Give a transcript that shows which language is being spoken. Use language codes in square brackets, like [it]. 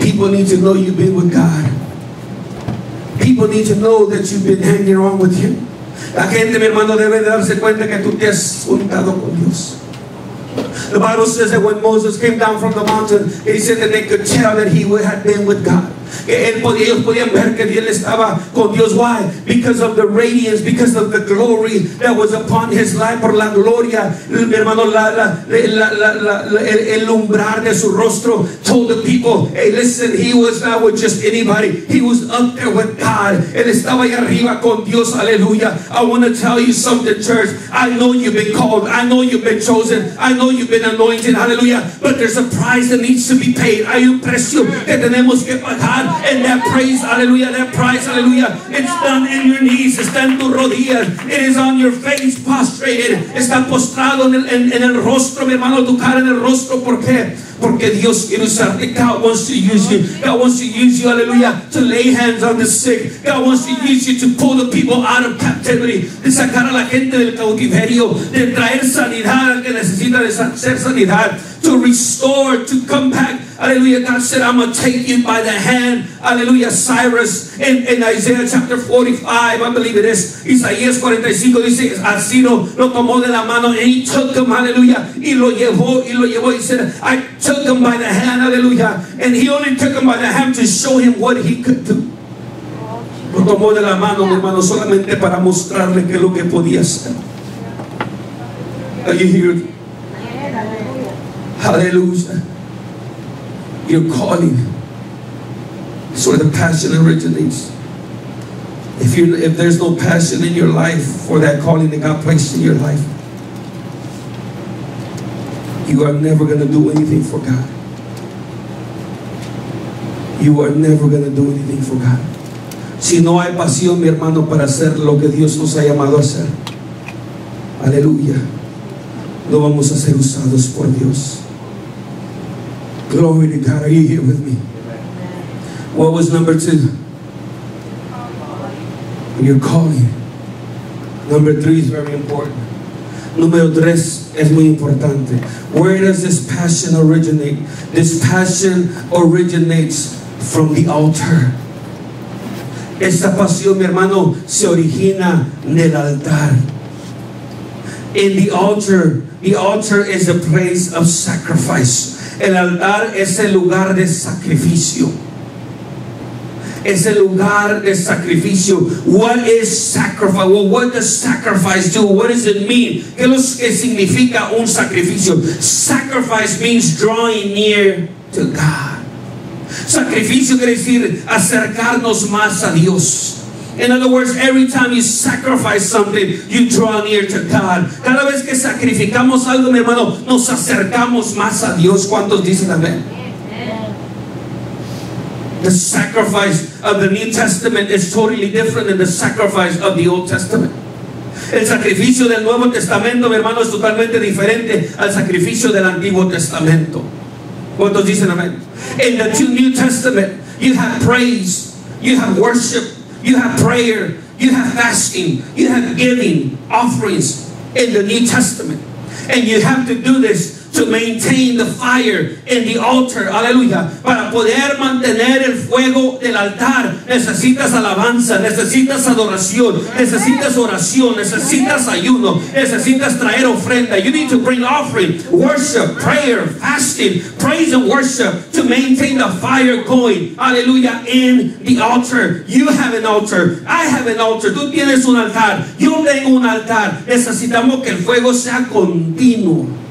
[en] People need to know you've been with God. People need to know that you've been hanging on with Him. [es] La gente, mi hermano, debe de darse cuenta que tú te has juntado con Dios. [en] The Bible says that when Moses came down from the mountain, he said that they could tell that he had been with God. [es] Ellos podían ver que él estaba con Dios. [en] Why? Because of the radiance, because of the glory that was upon his life. [es] Por la gloria, mi hermano, el umbrar de su rostro [en] told the people, hey, listen, he was not with just anybody. He was up there with God. [es] Él estaba allá arriba con Dios. [en] Aleluya. I want to tell you something, church. I know you've been called. I know you've been chosen. I know you've been anointed. Aleluya. But there's a price that needs to be paid. [es] Hay un precio que tenemos que pagar. [en] And that praise, hallelujah, that praise, hallelujah. It's done in your knees, it's done in [es] tu rodilla. [en] It is on your face, prostrated. [es] Está postrado en el rostro, mi hermano, tu cara en el rostro. ¿Por qué? Porque Dios quiere usarte. [en] God wants to use you. God wants to use you, hallelujah, to lay hands on the sick. God wants to use you to pull the people out of captivity. [es] De sacar a la gente del cautiverio. De traer sanidad al que necesita de ser sanidad. [en] To restore, to come back. Hallelujah. God said, I'm going to take you by the hand. Hallelujah. Cyrus in Isaiah chapter 45, I believe it is. [es] Isaías 45 dice, así lo tomó de la mano. [en] And he took him, hallelujah, [es] y lo llevó. [en] He said, I took him by the hand, hallelujah. And he only took him by the hand to show him what he could do. [es] Lo tomó de la mano, mi hermano, solamente para mostrarle que lo que podía hacer. [en] Are you here? Hallelujah. Your calling is where the passion originates. If there's no passion in your life for that calling that God placed in your life, you are never going to do anything for God. You are never going to do anything for God. [es] si no hay pasión, mi hermano, para hacer lo que Dios nos ha llamado a hacer, aleluya, no vamos a ser usados por Dios. [en] Glory to God. Are you here with me? What was number two? Your calling. Number three is very important. [es] Número tres es muy importante. [en] Where does this passion originate? This passion originates from the altar. [es] Esta pasión, mi hermano, se origina en el altar. [en] In the altar is a place of sacrifice. [es] El altar es el lugar de sacrificio. Es el lugar de sacrificio. [en] What is sacrifice? Well, what does sacrifice do? What does it mean? [es] ¿Qué es lo que significa un sacrificio? [en] Sacrifice means drawing near to God. [es] Sacrificio quiere decir acercarnos más a Dios. [en] In other words, every time you sacrifice something, you draw near to God. [es] Cada vez que sacrificamos algo, mi hermano, nos acercamos más a Dios. ¿Cuántos dicen amén? [en] The sacrifice of the New Testament is totally different than the sacrifice of the Old Testament. [es] El sacrificio del Nuevo Testamento, mi hermano, es totalmente diferente al sacrificio del Antiguo Testamento. ¿Cuántos dicen amén? [en] In the New Testament, you have praise, you have worship, you have prayer, you have fasting, you have giving, offerings in the New Testament. And you have to do this to maintain the fire in the altar. [es] Aleluya. Para poder mantener el fuego del altar, necesitas alabanza, necesitas adoración, necesitas oración, necesitas ayuno, necesitas traer ofrenda. [en] You need to bring offering, worship, prayer, fasting, praise and worship to maintain the fire going. Aleluya. In the altar. You have an altar. I have an altar. [es] Tú tienes un altar. Yo tengo un altar. Necesitamos que el fuego sea continuo.